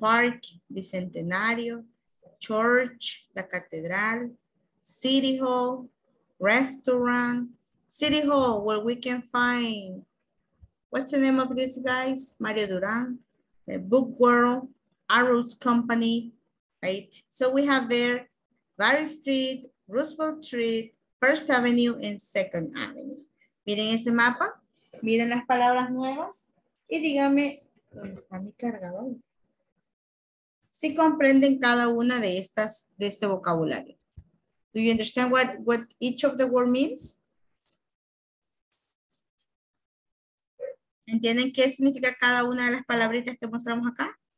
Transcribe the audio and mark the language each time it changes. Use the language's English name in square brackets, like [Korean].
[English] Park, Bicentenario, church, la catedral, city hall, restaurant, city hall, where we can find, what's the name of these guys? Mario Duran, the book world, Arrows Company, right? So we have there, Barry Street, Roosevelt Street, First Avenue, and Second Avenue. [Spanish] Miren ese mapa, miren las palabras nuevas, y díganme, ¿dónde está mi cargador? Si comprenden cada una de estas, de este vocabulario. [English] Do you understand what each of the word means? [Spanish] ¿Entienden qué significa cada una de las palabritas que mostramos acá?